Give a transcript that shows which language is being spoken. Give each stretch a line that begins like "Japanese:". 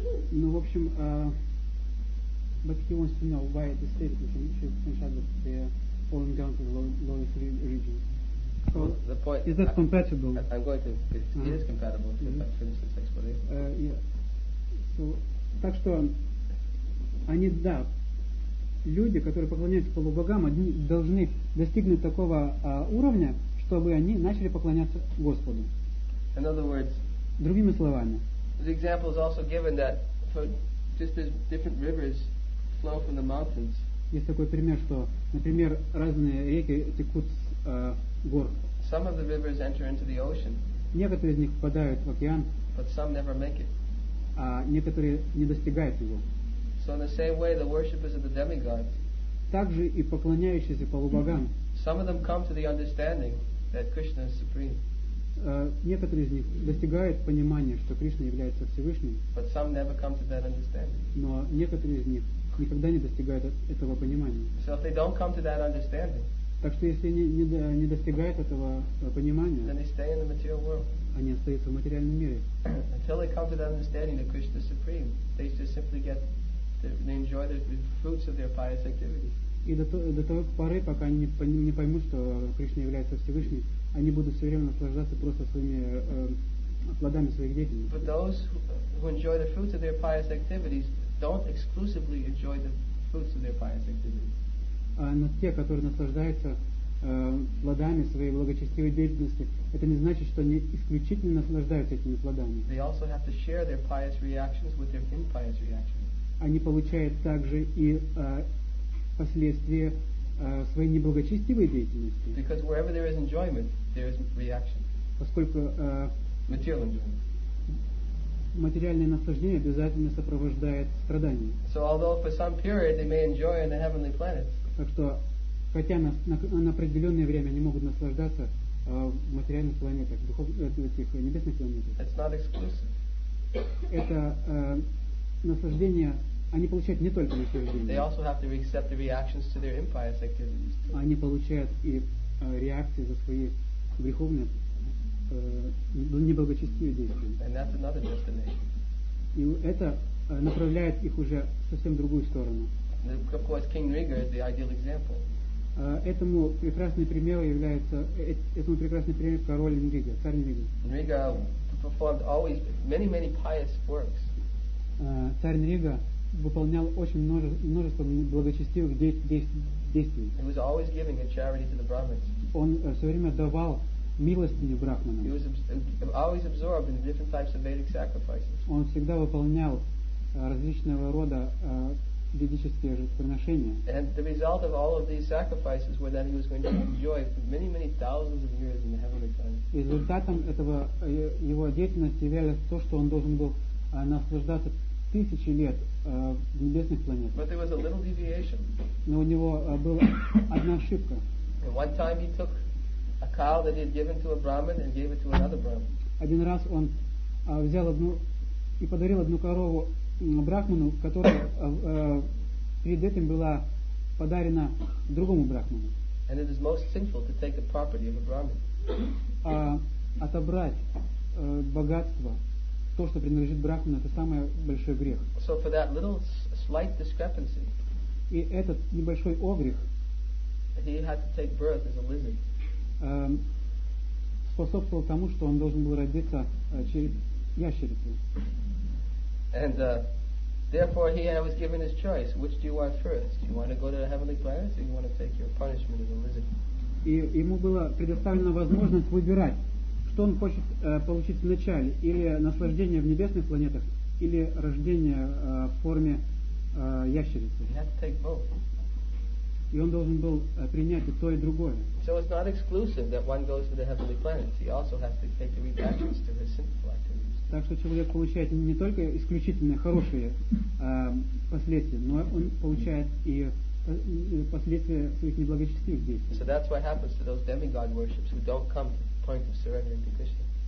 Russian: Ну, в общем,
English: but he wants to know why the state is in Shishad that they are falling down to the lowest region. So the point is that compatible? I'm going to... It is compatible if I finish this explanation.
Russian: So, так что они, да, люди, которые поклоняются полубогам, они должны достигнуть такого уровня, чтобы они начали поклоняться Господу.
English: In other words,
Russian: другими словами,
English: the example is also given that for just as different rivers flow from the mountains.
Russian: Есть такой пример, что, например, разные реки текут с гор.
English: Some of the rivers enter into the ocean.
Russian: Некоторые из них впадают в океан.
English: But some never make it.
Russian: А некоторые не достигают его.
English: So in the same way, the worshippers of the demigods.
Russian: Также и поклоняющиеся полубогам.
English: Some of them come to the understanding that Krishna is supreme.
Russian: Некоторые из них достигают понимания, что Кришна является Всевышним.
English: But some never come to that understanding.
Russian: Но некоторые из них никогда не достигают этого понимания.
English: So if they don't come to that understanding,
Russian: так что если они не достигают этого понимания,
English: then they stay in the material world.
Russian: Они остаются в материальном мире.
English: Until they come to that understanding that Krishna is supreme, they just simply get they enjoy the fruits of their pious activities.
Russian: И до той поры, пока они не поймут, что Кришна является Всевышним, они будут все время наслаждаться просто своими плодами своих деятельностей.
English: But those who enjoy the fruits of their pious activities don't exclusively enjoy the fruits of their pious activities.
Russian: Но те, которые наслаждаются плодами своей благочестивой деятельности, это не значит, что они исключительно наслаждаются этими плодами.
English: They also have to share their pious reactions with their impious reactions.
Russian: Они получают также и последствия своей неблагочестивой деятельности.
English: Because wherever there is enjoyment, there is reaction.
Russian: Поскольку
English: material enjoyment.
Russian: Материальное наслаждение обязательно сопровождает страдания.
English: So although for some period they may enjoy on the heavenly planets.
Russian: Так что хотя на определенное время они могут наслаждаться в материальных планетах, этих небесных планетах.
English: That's not exclusive.
Russian: Это наслаждение. Они получают не только наслаждение.
English: They also have to accept the reactions to their impious activities.
Russian: Они получают и реакции за свои греховные неблагочестивые действия.
English: And that's another destination.
Russian: И это направляет их уже в совсем другую сторону.
English: Of course, King Riga is the ideal example.
Russian: Этому прекрасный пример является этому прекрасный пример король Нрига, царь Нрига.
English: Нрига performed always many many pious works.
Russian: Царь Нрига выполнял очень множество благочестивых действий.
English: He was always giving a charity to the Brahmins.
Russian: Он все время давал милостыню брахманам.
English: He was always absorbed in the different types of Vedic sacrifices.
Russian: Он всегда выполнял различного рода ведические жертвоприношения.
English: And the result of all of these sacrifices were that he was going to enjoy many, many thousands of years in the heavenly planet.
Russian: Результатом этого его деятельности являлось то, что он должен был наслаждаться тысячи лет в небесных планетах.
English: But there was a little deviation.
Russian: Но у него была одна ошибка.
English: And one time he took a cow that he had given to a Brahmin and gave it to another Brahmin.
Russian: Один раз он взял одну и подарил одну корову брахману, которая перед этим была подарена другому брахману.
English: And it is most sinful to take the property of a Brahmin.
Russian: Отобрать богатство, то, что принадлежит брахману, это самый большой грех.
English: So for that little slight discrepancy,
Russian: и этот небольшой огрех,
English: he had to take birth as a lizard.
Russian: Способствовал тому, что он должен был родиться через ящерицу.
English: And therefore he was given his choice. Which do you want first? Do you want to go to the heavenly planets, or you want to take your punishment as a lizard?
Russian: И ему была предоставлена возможность выбирать, что он хочет получить вначале: или наслаждение в небесных планетах, или рождение в форме ящерицы.
English: He had to take both.
Russian: И он должен был принять и то, и другое.
English: So it's not exclusive that one goes to the heavenly planets. He also has to take the reactions to his sinful activities.
Russian: Так что человек получает не только исключительно хорошие последствия, но он получает и последствия своих неблагочестивых действий.
English: So that's what happens to those demigod worships who don't come to the point of surrendering to Krishna.